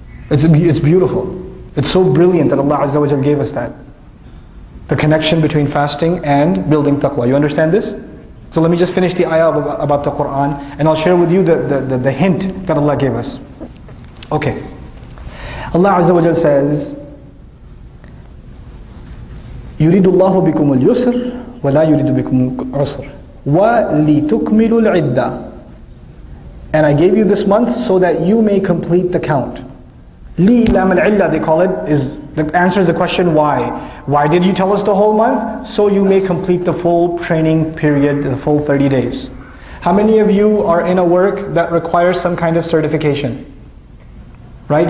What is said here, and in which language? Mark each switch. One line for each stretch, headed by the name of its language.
English: It's beautiful. It's so brilliant that Allah Azza wa Jalla gave us that. The connection between fasting and building taqwa. You understand this? So let me just finish the ayah about the Qur'an and I'll share with you the hint that Allah gave us. Okay. Allah Azza wa Jal says,
Arabic: يُرِدُ اللَّهُ بِكُمُ الْيُسْرِ وَلَا يُرِدُ بِكُمُ الْعُسْرِ وَلِتُكْمِلُ الْعِدَّةِ.
English: And I gave you this month so that you may complete the count.
Arabic: لِي لَمَ الْعِلَّةِ
English: they call it, is the answer is the question why. Why did you tell us the whole month? So you may complete the full training period, the full 30 days. How many of you are in a work that requires some kind of certification? Right?